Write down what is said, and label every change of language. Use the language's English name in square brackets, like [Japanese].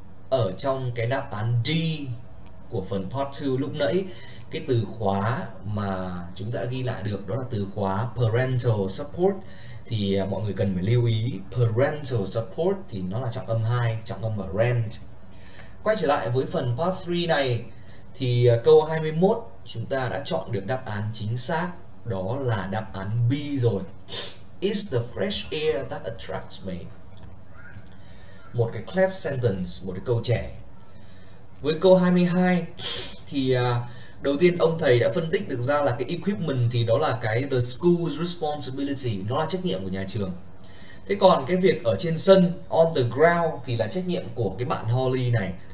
[Vietnamese] Ở trong cái đáp án D của phần part 2 lúc nãy, cái từ khóa mà chúng ta đã ghi lại được đó là từ khóa parental support. Thì mọi người cần phải lưu ý parental support thì nó là trọng âm 2, trọng âm ở rent. Quay trở lại với phần part 3 này thì câu 21 chúng ta đã chọn được đáp án chính xác, đó là đáp án B rồi. [English] Is the fresh air that attracts me. [Vietnamese] Một cái clap sentence, một cái câu trẻ. Với câu 22 thì đầu tiên ông thầy đã phân tích được ra là cái equipment thì đó là cái [English] the school's responsibility, [Vietnamese] nó là trách nhiệm của nhà trường. Thế còn cái việc ở trên sân, [English] on the ground, [Vietnamese] thì là trách nhiệm của cái bạn Holly này.